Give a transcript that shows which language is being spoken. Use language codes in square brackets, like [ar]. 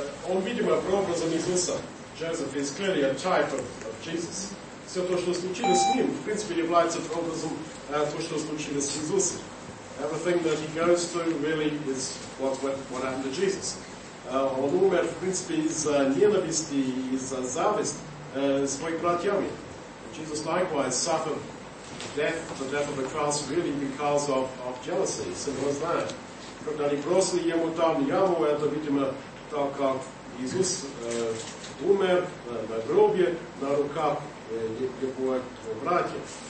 [ru] Он видимо прообразом Иисуса. [en] Joseph is clearly a type of Jesus. [ru] Все то, что случилось с ним, в принципе, является прообразом то, что случилось с Иисусом. [en] Everything that he goes through really is what happened to Jesus. [ru] Он умер, в принципе, из-за ненависти, из-за зависти своих братьями. [en] Jesus likewise suffered death, the death of the cross, really because of jealousy. Simple as that. [ru] Когда они бросили ему там яму, это, видимо, так как Иисус умер на гробе, на руках его братьями.